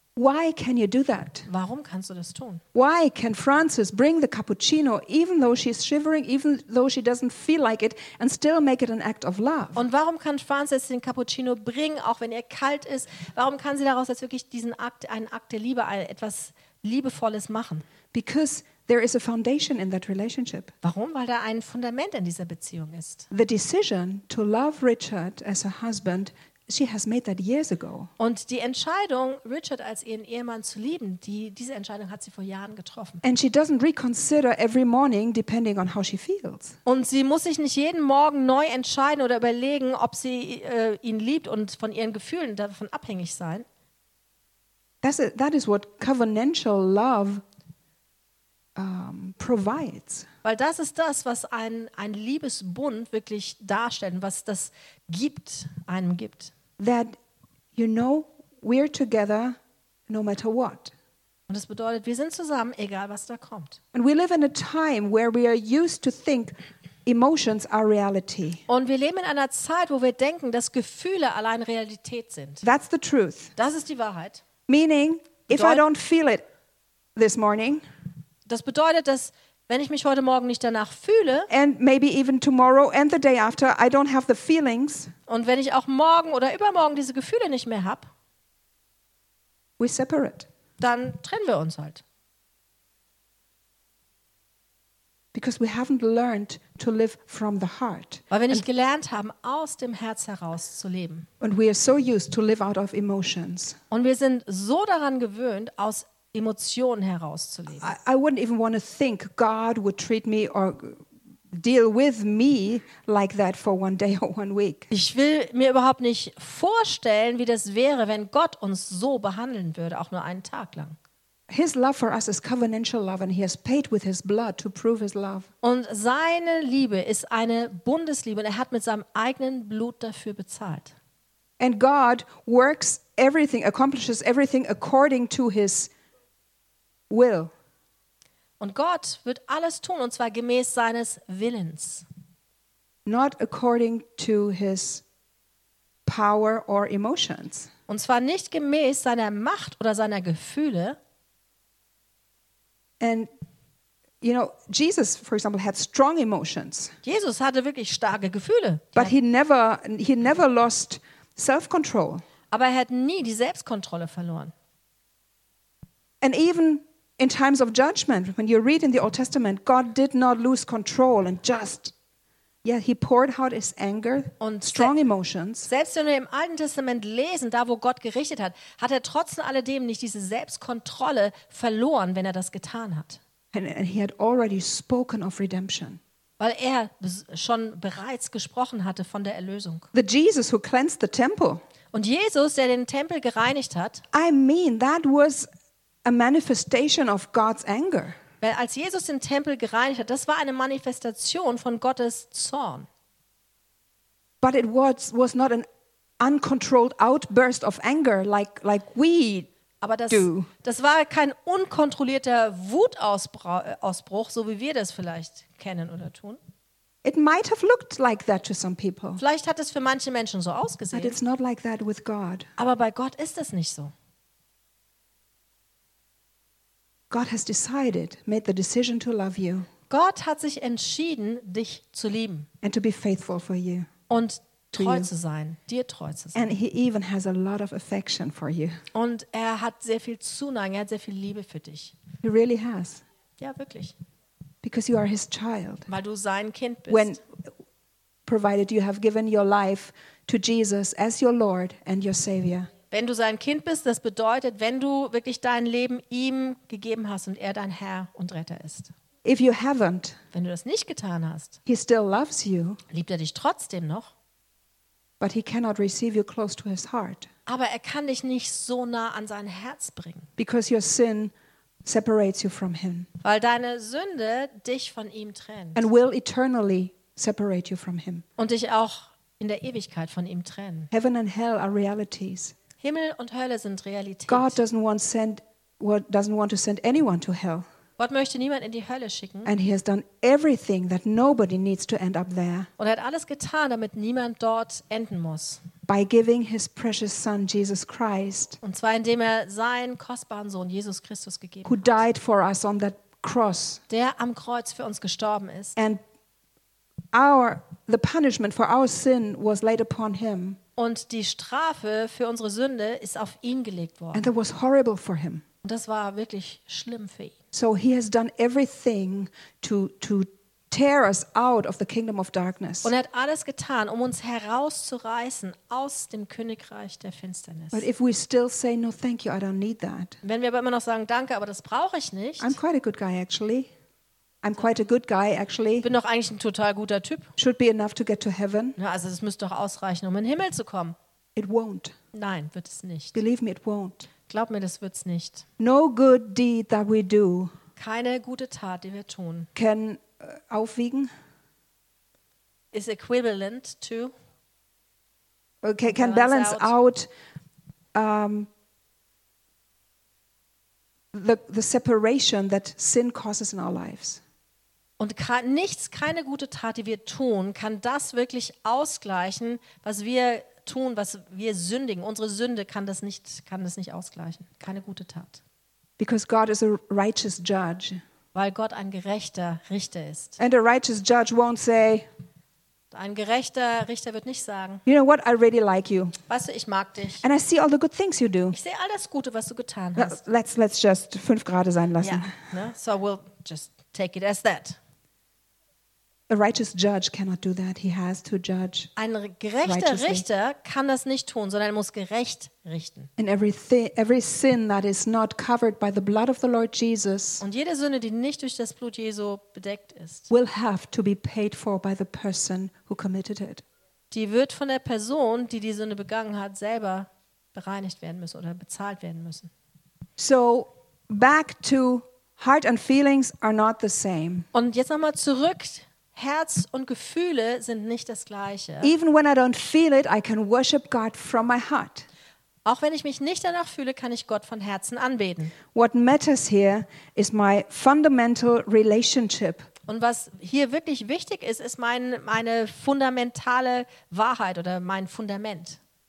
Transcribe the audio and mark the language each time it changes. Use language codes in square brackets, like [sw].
[en] Why can you do that? [de] Warum kannst du das tun? [en] Why can Frances bring the cappuccino even though she's shivering, even though she doesn't feel like it and still make it an act of love? [de] Und warum kann Frances den Cappuccino bringen, auch wenn er kalt ist? Warum kann sie daraus jetzt wirklich diesen Akt, einen Akt der Liebe, etwas Liebevolles machen? [en] Because there is a foundation in that relationship. [de] Warum? Weil da ein Fundament in dieser Beziehung ist. [en] The decision to love Richard as a husband She has made that years ago. [de] Und die Entscheidung, Richard als ihren Ehemann zu lieben, diese Entscheidung hat sie vor Jahren getroffen. [en] And she doesn't reconsider every morning depending on how she feels. [de] Und sie muss sich nicht jeden Morgen neu entscheiden oder überlegen, ob sie ihn liebt und von ihren Gefühlen davon abhängig sein. [en] That is what covenantal love provides. [de] Weil das ist das, was ein Liebesbund wirklich darstellt, was das gibt, einem gibt. [en] That you know we're together no matter what. [de] Und das bedeutet, wir sind zusammen, egal was da kommt. [en] And we live in a time where we are used to think emotions are reality. [de] Und wir leben in einer Zeit, wo wir denken, dass Gefühle allein Realität sind. [en] That's the truth. [de] Das ist die Wahrheit. [en] Meaning, if I don't feel it this morning. [de] Das bedeutet, dass wenn ich mich heute Morgen nicht danach fühle, [en] and maybe even tomorrow and the day after, I don't have the feelings. [de] Und wenn ich auch morgen oder übermorgen diese Gefühle nicht mehr hab, [en] we separate. [de] Dann trennen wir uns halt. [en] Because we haven't learned to live from the heart. [de] Weil wir nicht gelernt haben, aus dem Herz heraus zu leben. [en] And we are so used to live out of emotions. [de] Und wir sind so daran gewöhnt, aus Emotionen herauszulesen. [en] I wouldn't even want to think God would treat me or deal with me like that for one day or one week. [de] Ich will mir überhaupt nicht vorstellen, wie das wäre, wenn Gott uns so behandeln würde, auch nur einen Tag lang. [en] His love for us is covenantal love and he has paid with his blood to prove his love. [de] Und seine Liebe ist eine Bundesliebe und er hat mit seinem eigenen Blut dafür bezahlt. [en] And God works everything, accomplishes everything according to his will. [de] Und Gott wird alles tun und zwar gemäß seines Willens. [en] Not according to his power or emotions. [de] Und zwar nicht gemäß seiner Macht oder seiner Gefühle. [en] And you know, Jesus for example had strong emotions. [de] Jesus hatte wirklich starke Gefühle. [en] But he never lost self-control. [de] Aber er hat nie die Selbstkontrolle verloren. [en] And even in times of judgment, when you read in the Old Testament, God did not lose control and just, yeah, he poured out his anger and strong emotions. [de] Selbst wenn wir im Alten Testament lesen, da wo Gott gerichtet hat, hat er trotz alledem nicht diese Selbstkontrolle verloren, wenn er das getan hat. [en] And he had already spoken of redemption. [de] Weil er schon bereits gesprochen hatte von der Erlösung. [en] The Jesus who cleansed the temple. [de] Und Jesus, der den Tempel gereinigt hat. [en] I mean, that was a manifestation of God's anger. [de] Weil als Jesus den Tempel gereinigt hat, das war eine Manifestation von Gottes Zorn. [en] But it was not an uncontrolled outburst of anger like we [de] aber das, [en] do. [de] Das war kein unkontrollierter Wutausbruch, so wie wir das vielleicht kennen oder tun. [en] It might have looked like that to some people. [de] Vielleicht hat es für manche Menschen so ausgesehen. [en] But it's not like that with God. [de] Aber bei Gott ist das nicht so. [en] God has decided, made the decision to love you. [de] Gott hat sich entschieden, dich zu lieben. [en] And to be faithful for you. [de] Und treu zu sein, dir treu zu sein. [en] And he even has a lot of affection for you. [de] Und er hat sehr viel Zuneigung, er hat sehr viel Liebe für dich. [en] He really has. [de] Ja, wirklich. [en] Because you are his child. [de] Weil du sein Kind bist. [en] When provided you have given your life to Jesus as your Lord and your Savior. [de] Wenn du sein Kind bist, das bedeutet, wenn du wirklich dein Leben ihm gegeben hast und er dein Herr und Retter ist. [en] If you haven't, [de] wenn du das nicht getan hast, [en] he still loves you, [de] liebt er dich trotzdem noch. [en] But he cannot receive you close to his heart. [de] Aber er kann dich nicht so nah an sein Herz bringen. [en] Because your sin separates you from him. [de] Weil deine Sünde dich von ihm trennt. [en] And will eternally separate you from him. [de] Und dich auch in der Ewigkeit von ihm trennen. [en] Heaven and hell are realities. [de] Himmel und Hölle sind Realität. [en] God doesn't want to send anyone to hell. [de] Gott möchte niemand in die Hölle schicken. [en] And he has done everything that nobody needs to end up there. [de] Und er hat alles getan, damit niemand dort enden muss. [en] By giving his precious son Jesus Christ. [de] Und zwar indem er seinen kostbaren Sohn Jesus Christus gegeben hat. [en] Who died for us on that cross. [de] Der am Kreuz für uns gestorben ist. [en] And the punishment for our sin was laid upon him. [de] Und die Strafe für unsere Sünde ist auf ihn gelegt worden. [en] And that was horrible for him. [de] Und das war wirklich schlimm für ihn. [en] So he has done everything to tear us out of the kingdom of darkness. [de] Und er hat alles getan, um uns herauszureißen aus dem Königreich der Finsternis. [en] But if we still say no, thank you, I don't need that. [de] Wenn wir aber immer noch sagen, danke, aber das brauche ich nicht. [en] I'm quite a good guy actually. I'm quite a good guy actually. [de] Bin doch eigentlich ein total guter Typ. [en] Should be enough to get to heaven. [de] Ja, also es müsste doch ausreichen, um in den Himmel zu kommen. [en] It won't. [de] Nein, wird es nicht. [en] Believe me, it won't. [de] Glaub mir, das wird's nicht. [en] No good deed that we do. [de] Keine gute Tat, die wir tun. [en] Can [de] aufwiegen. [en] Is equivalent to. Okay, can balance out. The separation that sin causes in our lives. [de] Und keine gute Tat, die wir tun, kann das wirklich ausgleichen, was wir tun, was wir sündigen. Unsere Sünde kann das nicht ausgleichen. Keine gute Tat. [en] Because God is a righteous judge. [de] Weil Gott ein gerechter Richter ist. [en] And a righteous judge won't say. [de] Ein gerechter Richter wird nicht sagen. [en] You know what? I really like you. [de] Weißt du, ich mag dich. [en] And I see all the good things you do. [de] Ich sehe all das Gute, was du getan hast. [en] Let's just [de] 5 gerade sein lassen. Yeah. Ne? [en] So we'll just take it as that. A righteous judge cannot do that. He has to judge. [de] Ein gerechter Richter kann das nicht tun, sondern er muss gerecht richten. [en] And every sin that is not covered by the blood of the Lord Jesus. [de] Und jede Sünde, die nicht durch das Blut Jesu bedeckt ist, [en] will have to be paid for by the person who committed it. [de] Die wird von der Person, die die Sünde begangen hat, selber bereinigt werden müssen oder bezahlt werden müssen. [en] So back to heart and feelings are not the same. [de] Und jetzt nochmal zurück. Herz und Gefühle sind nicht das gleiche. [en] Even when I don't feel it, I can worship God from my heart. [de] Auch wenn ich mich nicht danach fühle, kann ich Gott von Herzen anbeten. [en] What matters here is my fundamental relationship. [de] Und was hier wirklich wichtig ist, ist meine fundamentale Wahrheit oder mein Fundament.